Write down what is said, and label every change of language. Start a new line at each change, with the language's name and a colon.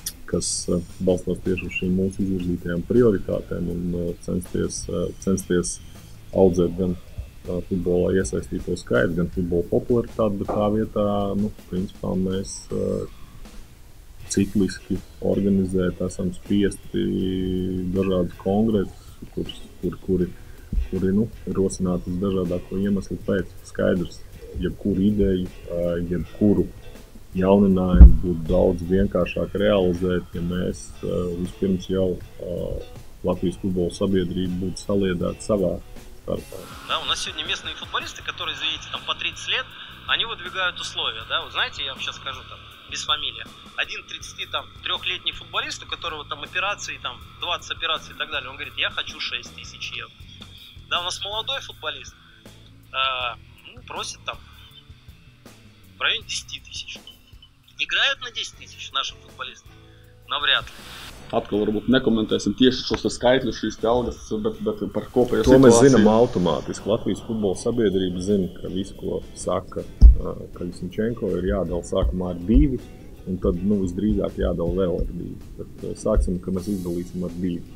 Latvian: balstās tieši uz šīm mūsu izvirzītajām prioritātēm un censties audzēt gan futbolā iesaistīto skaitu, gan futbola popularitāti, bet tā vietā, nu, principā, mēs cikliski organizēt, esam spiesti dažādas kongresus, kuri, nu, rosināt uz dažādāko iemeslu pēc. Skaidrs, jebkuru ideju, jebkuru jauninājumu būtu daudz vienkāršāk realizēt, ja mēs vispirms jau Latvijas futbola sabiedrību būtu saliedēt savā.
Russian: Да, у нас сегодня местные футболисты, которые, извините, там по 30 лет, они выдвигают условия, да, вот знаете, я вам сейчас скажу там, без фамилии, один 33-летний футболист, у которого там операции, там 20 операций и так далее, он говорит, я хочу 6 тысяч евро. Да, у нас молодой футболист, просит там в районе 10 тысяч. Играют на 10 тысяч наши футболисты? Навряд ли.
Latvian: Atkal varbūt nekomentēsim tieši šos skaitļus, šīs algas, bet par kopējo situāciju. To mēs zinām automātiski. Latvijas futbola sabiedrība zina, ka visu, ko saka Kaļis Sinčenko, ir jādala sākumā ar divi, un tad nu, visdrīzāk jādala vēl ar divi. Tad sāksim, ka mēs izdalīsim ar divi.